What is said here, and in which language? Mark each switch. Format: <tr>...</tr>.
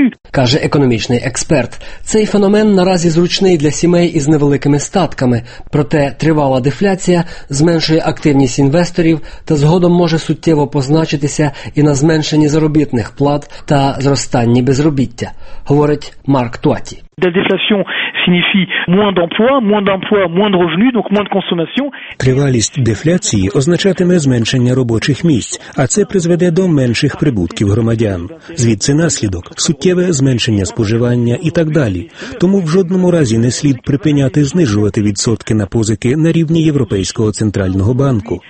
<uk>Каже економічний експерт. Цей феномен наразі зручний для сімей із невеликими статками. Проте тривала дефляція зменшує активність інвесторів та згодом може суттєво позначитися і на зменшенні заробітних плат та зростанні безробіття, говорить Марк Туаті.</uk> <fr>Дефляція signifie moins d'emplois, moins d'emplois, moins de revenus, donc moins de consommation.</fr> <uk>Тривалість дефляції означатиме зменшення робочих місць, а це призведе до менших прибутків громадян. Звідси наслідок суттєве зменшення споживання і так далі. Тому в жодному разі не слід припиняти знижувати відсотки на позики на рівні Європейського центрального банку.</uk>